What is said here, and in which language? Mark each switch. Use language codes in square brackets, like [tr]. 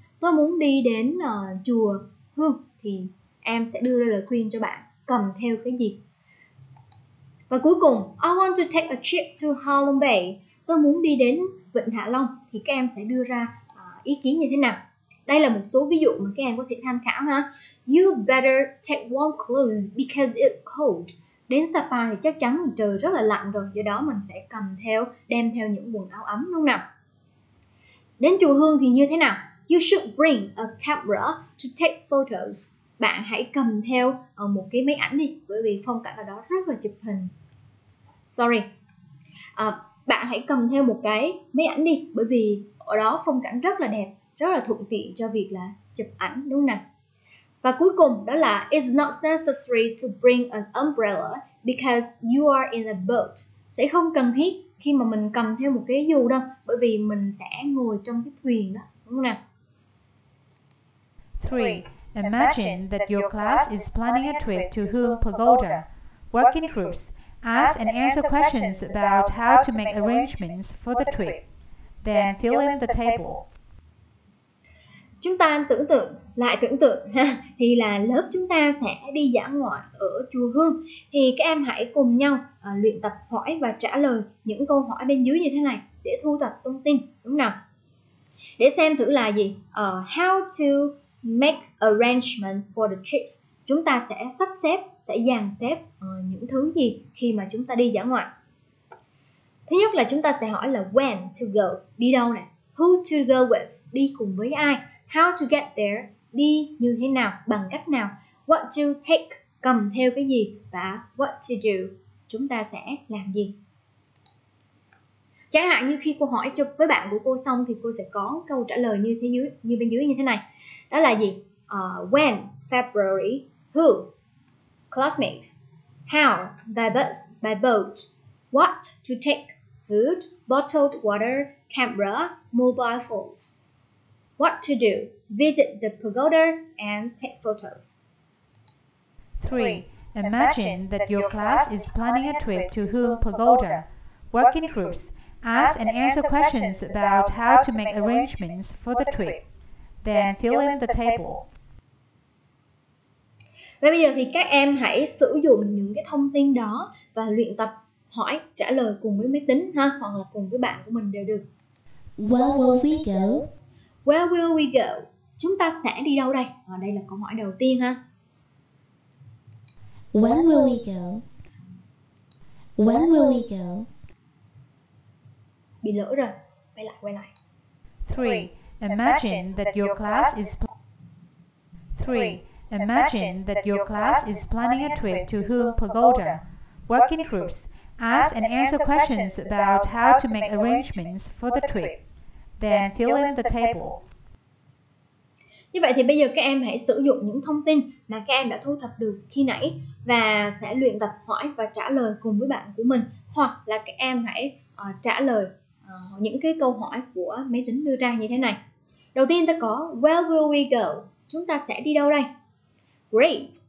[vi] Tôi muốn đi đến chùa Hương. Thì em sẽ đưa ra lời khuyên cho bạn cầm theo cái gì. Và cuối cùng, [en] I want to take a trip to Hạ Long Bay. [vi] Tôi muốn đi đến Vịnh Hạ Long. Thì các em sẽ đưa ra ý kiến như thế nào? Đây là một số ví dụ mà các em có thể tham khảo ha. [en] You better take warm clothes because it's cold. [vi] Đến Sapa thì chắc chắn trời rất là lạnh rồi, do đó mình sẽ cầm theo, đem theo những quần áo ấm luôn nào. Đến chùa Hương thì như thế nào? [en] You should bring a camera to take photos. [vi] Bạn hãy cầm theo một cái máy ảnh đi, bởi vì phong cảnh ở đó rất là chụp hình. [en] Sorry. [vi] Bạn hãy cầm theo một cái máy ảnh đi, bởi vì ở đó phong cảnh rất là đẹp, rất là thuận tiện cho việc là chụp ảnh đúng không nào? Và cuối cùng đó là [en] it's not necessary to bring an umbrella because you are in a boat. [vi] Sẽ không cần thiết khi mà mình cầm theo một cái dù đâu, bởi vì mình sẽ ngồi trong cái thuyền đó, đúng không nào? [en] 3. Imagine that your class is planning a trip to Hương Pagoda. Work in groups. Ask and answer questions about how to make arrangements for the trip. Then fill in the table. [vi] Chúng ta tưởng tượng, lại tưởng tượng ha, thì là lớp chúng ta sẽ đi dã ngoại ở chùa Hương. Thì các em hãy cùng nhau luyện tập hỏi và trả lời những câu hỏi bên dưới như thế này để thu thập thông tin, đúng không nào? Để xem thử là gì? [en] How to make arrangement for the trips. [vi] Chúng ta sẽ sắp xếp, sẽ dàn xếp những thứ gì khi mà chúng ta đi dã ngoại. Thứ nhất là chúng ta sẽ hỏi là [en] when to go, [vi] đi đâu nè. [en] Who to go with, [vi] đi cùng với ai. [en] How to get there, [vi] đi như thế nào, bằng cách nào. [en] What to take, [vi] cầm theo cái gì. Và [en] what to do, [vi] chúng ta sẽ làm gì. Chẳng hạn như khi cô hỏi cho với bạn của cô xong thì cô sẽ có câu trả lời như thế dưới, như bên dưới như thế này. Đó là gì? [en] When, February, who, classmates, how, by bus, by boat, what to take, food, bottled water, camera, mobile phones, what to do, visit the pagoda and take photos. 3. Imagine that your class is planning a trip to Hương Pagoda. Work in groups. Ask and answer questions about how to make arrangements for the trip. Then fill in the table. [vi] Và bây giờ thì các em hãy sử dụng những cái thông tin đó và luyện tập hỏi, trả lời cùng với máy tính ha, hoặc là cùng với bạn của mình đều được. [en] Where will we go? Where will we go? [vi] Chúng ta sẽ đi đâu đây? Đây là câu hỏi đầu tiên ha. [en] When will we go? When will we go? [vi] Bị lỗi rồi. Quay lại, quay lại. [en] 3. Imagine that your class is 3. Imagine that your class is planning a trip to Hương Pagoda. Work in groups. Ask and answer questions about how to make arrangements for the trip. Then fill in the table. [vi] Như vậy thì bây giờ các em hãy sử dụng những thông tin mà các em đã thu thập được khi nãy và sẽ luyện tập hỏi và trả lời cùng với bạn của mình, hoặc là các em hãy trả lời những cái câu hỏi của máy tính đưa ra như thế này. Đầu tiên ta có [en] where will we go? [vi] Chúng ta sẽ đi đâu đây? [en] Great.